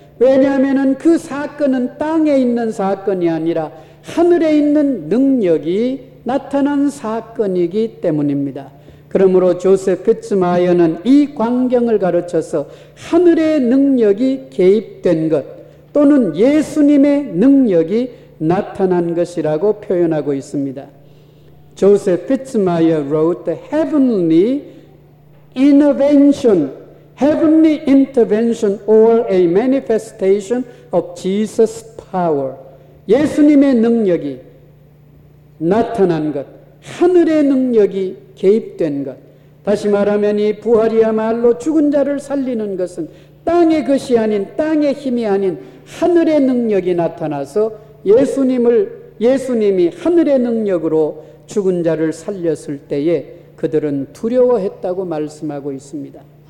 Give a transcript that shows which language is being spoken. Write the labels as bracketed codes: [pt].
[ko] 왜냐하면 그 사건은 땅에 있는 사건이 아니라 하늘에 있는 능력이 나타난 사건이기 때문입니다. 그러므로 조셉 피츠마이어는 이 광경을 가르쳐서 하늘의 능력이 개입된 것 또는 예수님의 능력이 나타난 것이라고 표현하고 있습니다. [en] Joseph Fitzmyer wrote the heavenly intervention, heavenly intervention or a manifestation of Jesus' power. [ko] 예수님의 능력이 나타난 것, 하늘의 능력이 개입된 것. 다시 말하면 이 부활이야말로 죽은 자를 살리는 것은 땅의 것이 아닌 땅의 힘이 아닌 하늘의 능력이 나타나서 예수님이 하늘의 능력으로 죽은 자를 살렸을 때에 그들은 두려워했다고 말씀하고 있습니다.